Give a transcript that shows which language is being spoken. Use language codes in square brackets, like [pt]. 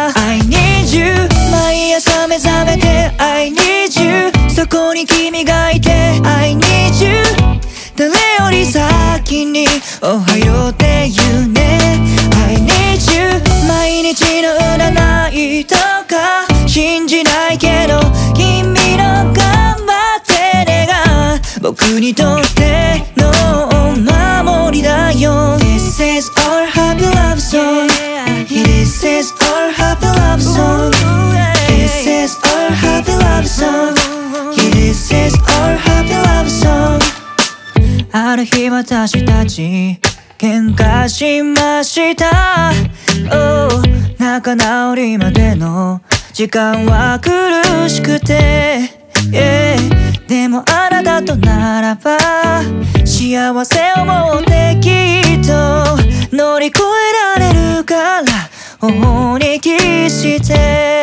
[ja] 毎朝目覚めて [en] I need you、 [ja] そこに君がいて I need you、 誰より先におはようって言うね。 [en] I need you、 [ja] 毎日の占いとか信じないけど君の頑張ってねが僕にとっての守りだよ。 [en] This is our happy love song、This is our happy love song、This is our happy love song、yeah, This is our happy love song。 [ja] ある日私たち喧嘩しました。 Oh、 仲直りまでの時間は苦しくて、yeah、 でもあなたとならば幸せをもってきっと乗り越えられるから、頬にキスして。